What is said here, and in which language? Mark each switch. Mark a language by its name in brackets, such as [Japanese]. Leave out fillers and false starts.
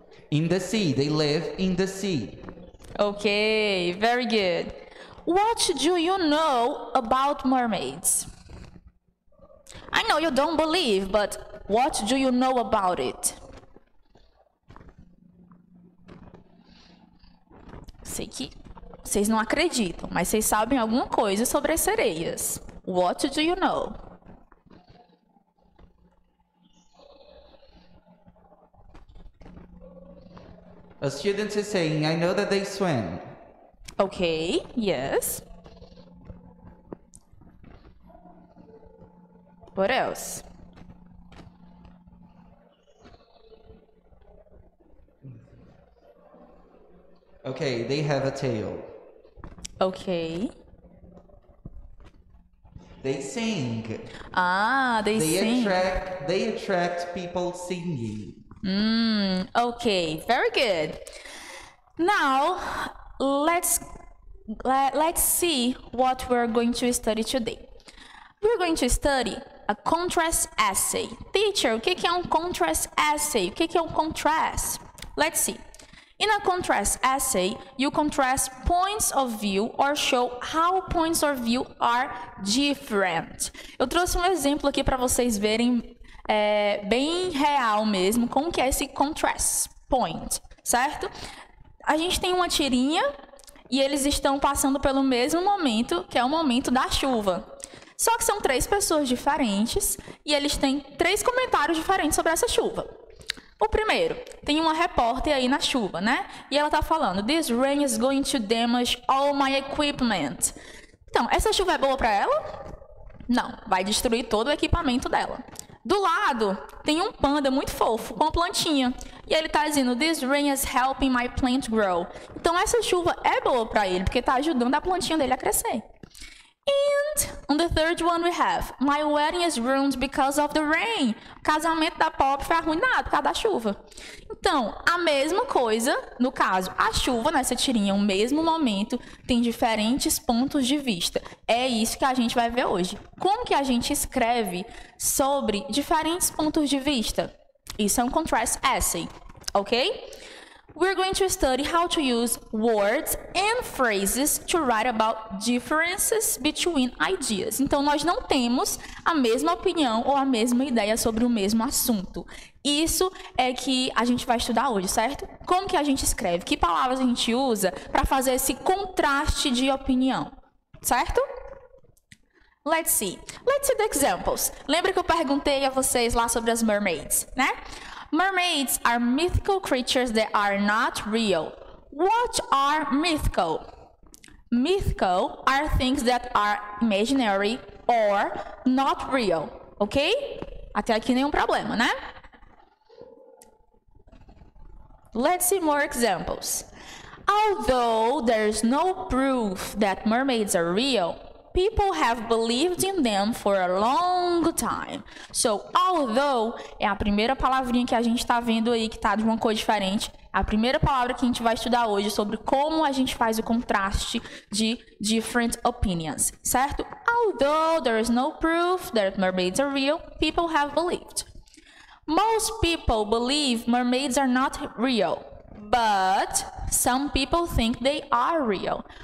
[English] In the sea, they live in the sea. Okay, very good. What do you know about mermaids? I know you don't believe, but what do you know about it? [Portuguese] Sei que vocês não acreditam, mas vocês sabem alguma coisa sobre as sereias. [English] What do you know? A student is saying, I know that they swim. Okay, yes. What else? Okay, they have a tail. Okay. They sing. Ah, they sing. They attract people singing. Okay, very good. Now, let's see what we're going to study today. We're going to study a contrast essay. [Portuguese] Teacher, o que é um contrast essay? O que é um contrast? [English] Let's see. In a contrast essay, you contrast points of view or show how points of view are different. [Portuguese] Eu trouxe um exemplo aqui para vocês verem. É bem real mesmo, como que é esse contrast point, certo? A gente tem uma tirinha e eles estão passando pelo mesmo momento, que é o momento da chuva. Só que são três pessoas diferentes e eles têm três comentários diferentes sobre essa chuva. O primeiro, tem uma repórter aí na chuva, né? E ela tá falando, [English] this rain is going to damage all my equipment. [Portuguese] Então, essa chuva é boa para ela? Não, vai destruir todo o equipamento dela. Do lado, tem um panda muito fofo, com uma plantinha. E ele tá dizendo, [English] this rain is helping my plant grow. [Portuguese] Então, essa chuva é boa para ele, porque tá ajudando a plantinha dele a crescer. [English] And on the third one we have, my wedding is ruined because of the rain. [Portuguese] O casamento da Pop foi arruinado por causa da chuva. Então, a mesma coisa, no caso, a chuva nessa tirinha, o mesmo momento, tem diferentes pontos de vista. É isso que a gente vai ver hoje. Como que a gente escreve sobre diferentes pontos de vista? Isso é um contrast essay, ok? [English] We're going to study how to use words and phrases to write about differences between ideas. [Portuguese] Então, nós não temos a mesma opinião ou a mesma ideia sobre o mesmo assunto. Isso é que a gente vai estudar hoje, certo? Como que a gente escreve? Que palavras a gente usa para fazer esse contraste de opinião, certo? [English] Let's see the examples. [Portuguese] Lembra que eu perguntei a vocês lá sobre as mermaids, né? [English] Mermaids are mythical creatures that are not real. What are mythical? Mythical are things that are imaginary or not real. Ok? [Portuguese] Até aqui nenhum problema, né? [English] Let's see more examples. Although there is no proof that mermaids are real, people have believed in them for a long time. [Portuguese] So, although é a primeira palavrinha que a gente está vendo aí que está de uma cor diferente. A primeira palavra que a gente vai estudar hoje sobre como a gente faz o contraste de different opinions, certo? [English] Although there is no proof that mermaids are real, people have believed. Most people believe mermaids are not real, but some people think they are real.